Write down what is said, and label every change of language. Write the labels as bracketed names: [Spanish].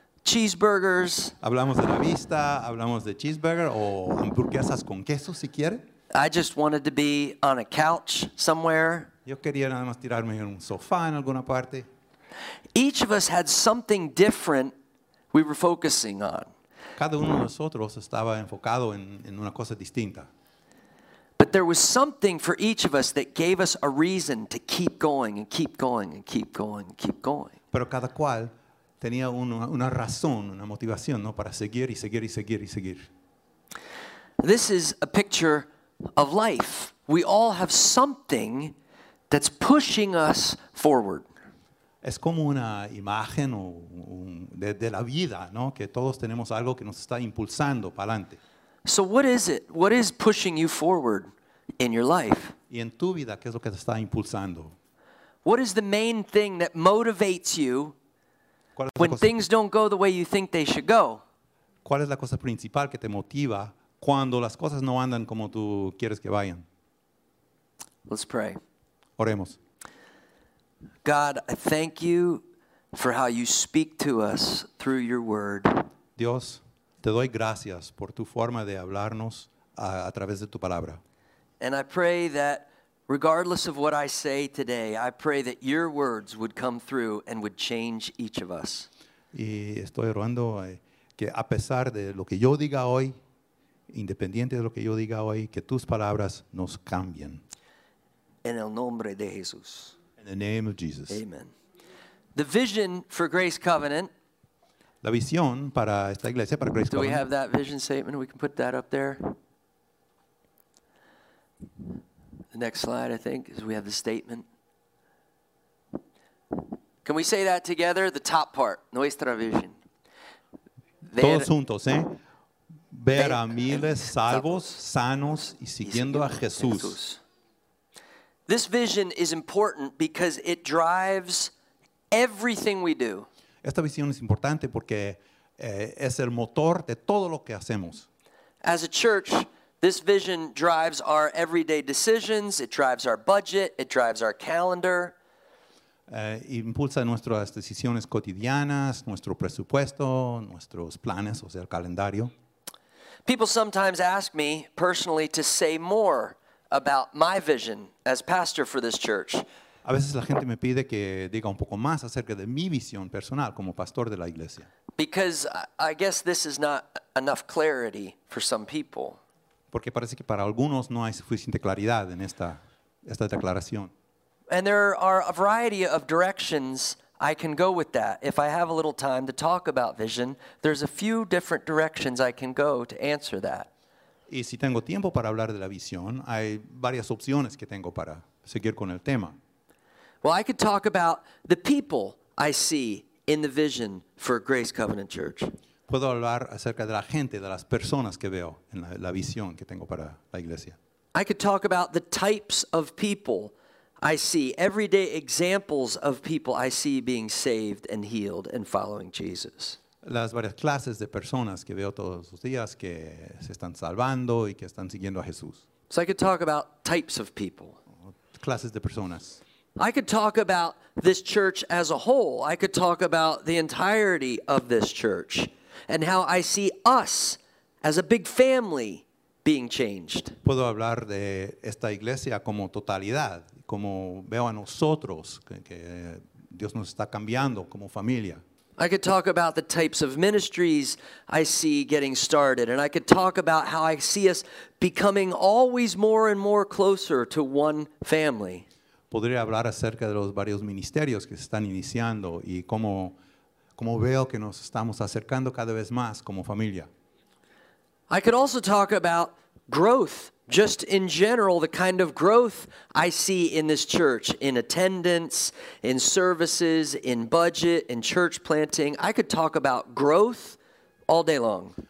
[English] cheeseburgers. [Spanish] Hablamos de la vista, hablamos de cheeseburger o hamburguesas con queso, si quiere. [English] I just wanted to be on a couch somewhere. [Spanish] Yo quería nada más tirarme en un sofá en alguna parte. [English] Each of us had something different we were focusing on. [Spanish] Cada uno de nosotros estaba enfocado en una cosa distinta. [English] But there was something for each of us that gave us a reason to keep going and keep going and keep going and keep going. [Spanish] Pero cada cual tenía una razón, una motivación, ¿no? Para seguir y seguir y seguir y seguir. [English] This is a picture of life. We all have something that's pushing us forward. [Spanish] Es como una imagen de la vida, ¿no? Que todos tenemos algo que nos está impulsando para adelante. [English] So what is it? What is pushing you forward in your life? [Spanish] Y en tu vida, ¿qué es lo que te está impulsando? [English] What is the main thing that motivates you when things don't go the way you think they should go? [Spanish] ¿Cuál es la cosa principal que te motiva cuando las cosas no andan como tú quieres que vayan? [English] Let's pray. [Spanish] Oremos. [English] God, I thank you for how you speak to us through your word. [Spanish] Dios, te doy gracias por tu forma de hablarnos a través de tu palabra. [English] And I pray that regardless of what I say today, I pray that your words would come through and would change each of us. [Spanish] Y estoy orando que a pesar de lo que yo diga hoy, independiente de lo que yo diga hoy, que tus palabras nos cambien. En el nombre de Jesús. [English] In the name of Jesus. Amen. The vision for Grace Covenant. [Spanish] La visión para esta iglesia, para Grace Covenant. [English] Do we have that vision statement? We can put that up there. The next slide, I think, is we have the statement. Can we say that together? The top part, [Spanish] nuestra vision. Todos juntos, ¿eh? Ver a miles salvos, sanos, y siguiendo a Jesús. [English] This vision is important because it drives everything we do. [Spanish] Esta visión es importante porque es el motor de todo lo que hacemos. [English] As a church, this vision drives our everyday decisions, it drives our budget, it drives our calendar. [Spanish] Impulsa nuestras decisiones cotidianas, nuestro presupuesto, nuestros planes, o sea, el calendario. [English] People sometimes ask me personally to say more about my vision as pastor for this church. [Spanish] A veces la gente me pide que diga un poco más acerca de mi visión personal como pastor de la iglesia. [English] Because I guess this is not enough clarity for some people. [Spanish] Porque parece que para algunos no hay suficiente claridad en esta declaración. [English] And there are a variety of directions I can go with that. If I have a little time to talk about vision, there's a few different directions I can go to answer that. [Spanish] Y si tengo tiempo para hablar de la visión, hay varias opciones que tengo para seguir con el tema. [English] Well, I could talk about the people I see in the vision for Grace Covenant Church. [Spanish] Puedo hablar acerca de la gente, de las personas que veo en la visión que tengo para la iglesia. [English] I could talk about the types of people I see, everyday examples of people I see being saved and healed and following Jesus. [Spanish] Las varias clases de personas que veo todos los días que se están salvando y que están siguiendo a Jesús. [English] So I could talk about types of people. [Spanish] Clases de personas. [English] I could talk about this church as a whole. I could talk about the entirety of this church and how I see us as a big family being changed. [Spanish] Puedo hablar de esta iglesia como totalidad, como veo a nosotros que Dios nos está cambiando como familia. [English] I could talk about the types of ministries I see getting started, and I could talk about how I see us becoming always more and more closer to one family. [Spanish] Podría hablar acerca de los varios ministerios que se están iniciando y cómo veo que nos estamos acercando cada vez más como familia. [English] I could also talk about growth, just in general, the kind of growth I see in this church, in attendance, in services, in budget, in church planting. I could talk about growth all day long.